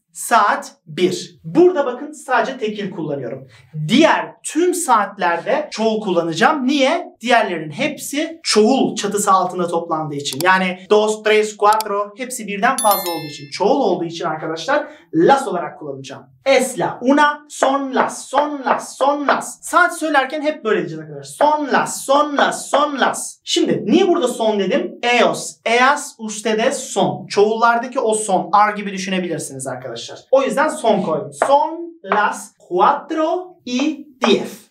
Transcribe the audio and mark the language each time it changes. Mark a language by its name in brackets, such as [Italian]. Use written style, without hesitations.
[Turkish] Saat 1. Burada bakın sadece tekil kullanıyorum. Diğer tüm saatlerde çoğul kullanacağım. Niye? Diğerlerin hepsi çoğul çatısı altında toplandığı için. Yani [Spanish] dos, tres, cuatro [Turkish] hepsi birden fazla olduğu için. Çoğul olduğu için arkadaşlar las olarak kullanacağım. [Spanish] Es la una, son las, son las, son las. [Turkish] Saat söylerken hep böyle diyeceğiz arkadaşlar. [Spanish] Son las, son las, son las. [Turkish] Şimdi niye burada son dedim? [Spanish] Eos, eas, ustedes, son. [Turkish] Çoğullardaki o son. R gibi düşünebilirsiniz arkadaşlar. O yüzden son koydum. [Spanish] Son las cuatro y diez.